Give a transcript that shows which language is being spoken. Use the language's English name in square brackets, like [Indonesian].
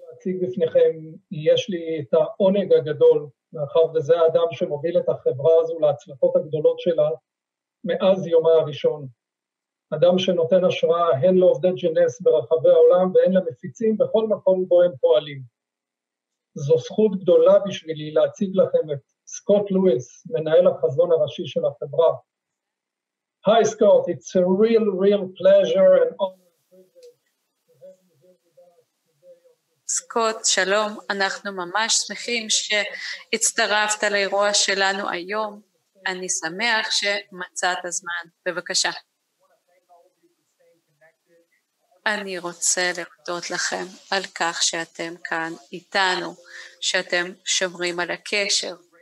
[Hebrew] להציג בפניכם, יש לי את העונג הגדול, מאחר וזה האדם שמוביל את החברה הזו להצלחות הגדולות שלה מאז יומה הראשון. אדם שנותן השראה הן לעובדי ג'נס ברחבי העולם והן למפיצים בכל מקום בו הם פועלים. זו זכות גדולה בשבילי להציג לכם את סקוט לואיס, מנהל החזון הראשי של החברה. [English] Hi Scott, it's a real, real pleasure and honor. [Hebrew] סקוט, שלום, אנחנו ממש שמחים שהצטרפת לאירוע שלנו היום. אני שמח שמצאת הזמן. בבקשה. אני רוצה להודות לכם על כך שאתם כאן איתנו, שאתם שומרים על הקשר.